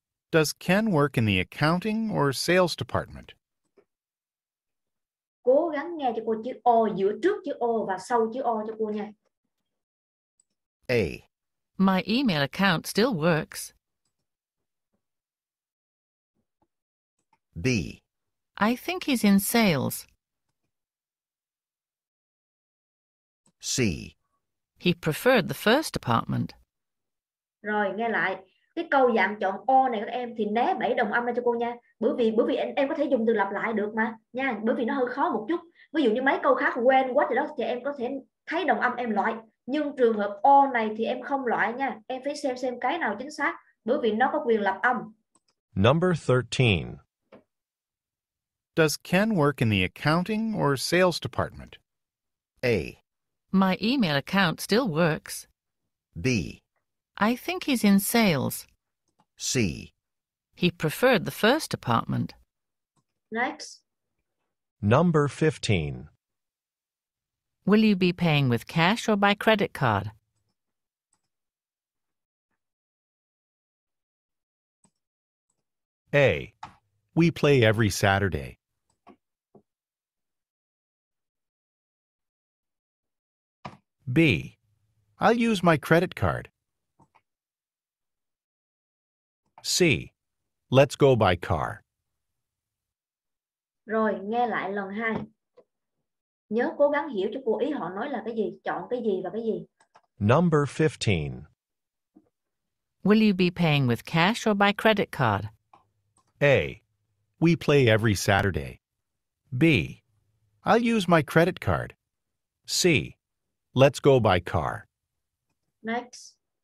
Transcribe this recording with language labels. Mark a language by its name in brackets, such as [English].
[English] Does Ken work in the accounting or sales department? [Vietnamese] Cố gắng nghe cho cô chữ O, giữa trước chữ O và sau chữ O cho cô nha. [English] A. My email account still works. B. I think he's in sales. C. He preferred the first department. [Vietnamese] Rồi, nghe lại. Cái câu dạng chọn O này các em thì né 7 đồng âm ra cho cô nha. Bởi vì em có thể dùng từ lặp lại được mà nha. Bởi vì nó hơi khó một chút. Ví dụ như mấy câu khác quen quá thì đó thì em có thể thấy đồng âm em loại. Nhưng trường hợp O này thì em không loại nha. Em phải xem cái nào chính xác. Bởi vì nó có quyền lặp âm. [English] Number 13. Does Ken work in the accounting or sales department? A. My email account still works. B. I think he's in sales. C. He preferred the first department. Next. Number 15. Will you be paying with cash or by credit card? A. We play every Saturday. B. I'll use my credit card. C. Let's go by car. [Vietnamese] Rồi, nghe lại lần hai. Nhớ cố gắng hiểu cho cô ý họ nói là cái gì, chọn cái gì và cái gì. [English] Number 15. Will you be paying with cash or by credit card? A. We play every Saturday. B. I'll use my credit card. C. Let's go by car. Next.